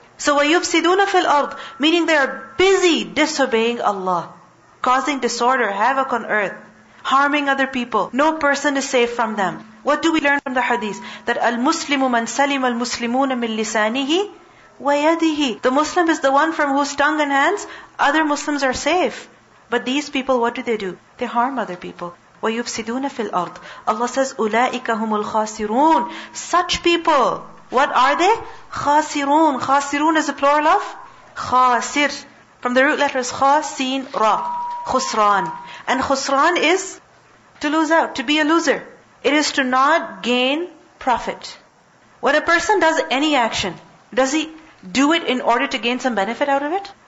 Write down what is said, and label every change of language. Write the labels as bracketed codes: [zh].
[en] So [ar] وَيُفْسِدُونَ فِي الْأَرْضِ, [en] meaning they are busy disobeying Allah, causing disorder, havoc on earth. harming other people. No person is safe from them. What do we learn from the hadith? That [ar] al-Muslimu man salima al-Muslimuna min lisanihi wa yadihi. [en] The Muslim is the one from whose tongue and hands other Muslims are safe. But these people, what do? They harm other people. [ar] وَيُفْسِدُونَ فِي الْأَرْضِ [en] Allah says, [ar] أُولَٰئِكَ هُمُ الْخَاسِرُونَ [en] Such people. What are they? خاسرون. خاسرون is a plural of خاسر. From the root letters [ar] خاسين را. خسران. [en] And خسران is to lose out, to be a loser. It is to not gain profit. When a person does any action, does he do it in order to gain some benefit out of it?